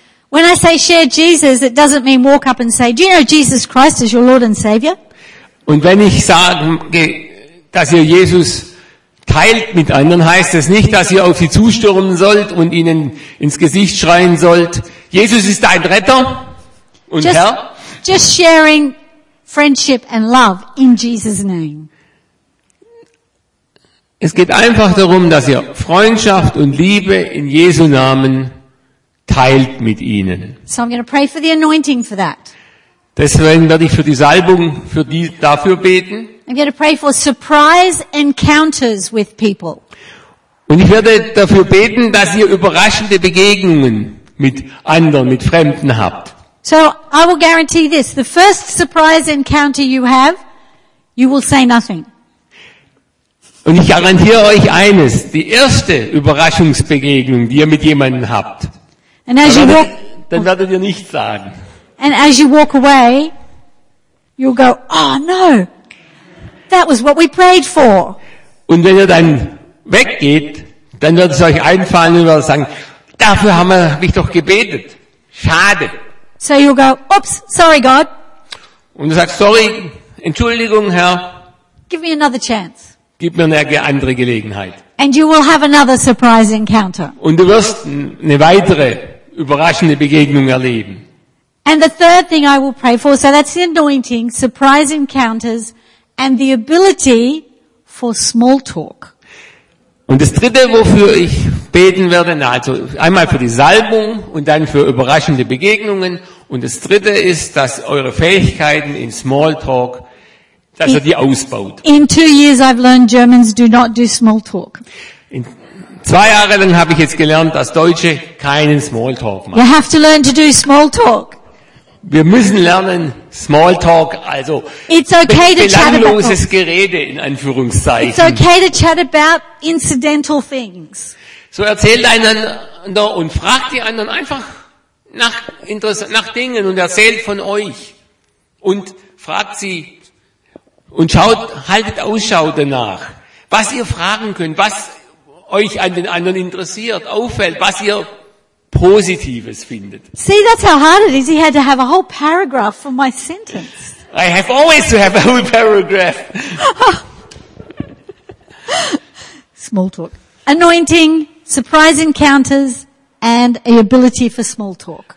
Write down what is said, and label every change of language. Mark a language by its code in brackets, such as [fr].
[en] When I say share Jesus, it doesn't mean walk up and say, do you know Jesus Christ is your Lord and Savior? [de] Und wenn ich sage, dass ihr Jesus teilt mit anderen, heißt es nicht, dass ihr auf sie zustürmen sollt und ihnen ins Gesicht schreien sollt, Jesus ist dein Retter und [en] just, [de] Herr. [en] Just sharing friendship and love in Jesus' name. [de] Es geht einfach darum, dass ihr Freundschaft und Liebe in Jesu Namen teilt mit ihnen. [en] So I'm going to pray for the anointing for that. [de] Deswegen werde ich für die Salbung dafür beten. [en] I'm going to pray for surprise encounters with people. [de] Und ich werde dafür beten, dass ihr überraschende Begegnungen mit anderen, mit Fremden habt. [en] So I will guarantee this, the first surprise encounter you have, you will say nothing. [de] Und ich garantiere euch eines, die erste Überraschungsbegegnung, die ihr mit jemandem habt, dann werdet ihr nichts sagen. [en] And as you walk away, you'll go, oh no, that was what we prayed for. [de] Und wenn ihr dann weggeht, dann wird es euch einfallen und werdet sagen, dafür haben wir mich doch gebetet. Schade. [en] So you'll go, oops, sorry God. [de] Und du sagst, sorry, Entschuldigung Herr. [en] Give me another chance. [de] Gib mir eine andere Gelegenheit. [en] And you will have another surprise encounter. [de] Und du wirst eine weitere überraschende Begegnung erleben. [en] And the third thing I will pray for, so that's the anointing, surprise encounters and the ability for small talk. [de] Und das dritte, wofür ich beten werden. Also einmal für die Salbung und dann für überraschende Begegnungen. Und das Dritte ist, dass eure Fähigkeiten in Smalltalk, dass ihr die ausbaut. [en] In 2 years I've learned Germans do not do small talk. [de] In 2 Jahren lang habe ich jetzt gelernt, dass Deutsche keinen Smalltalk machen. [en] You have to learn to do small talk. [de] Wir müssen lernen, Smalltalk, also [en] it's okay to [de] belangloses Gerede, in Anführungszeichen. [en] It's okay to chat about incidental things. [de] So erzählt einander und fragt die anderen einfach nach Dingen und erzählt von euch. Und fragt sie und schaut, haltet Ausschau danach, was ihr fragen könnt, was euch an den anderen interessiert, auffällt, was ihr Positives findet. [en] See, that's how hard it is. He had to have a whole paragraph for my sentence. I have always to have a whole paragraph. Small talk. Anointing, surprise encounters, and the ability for small talk.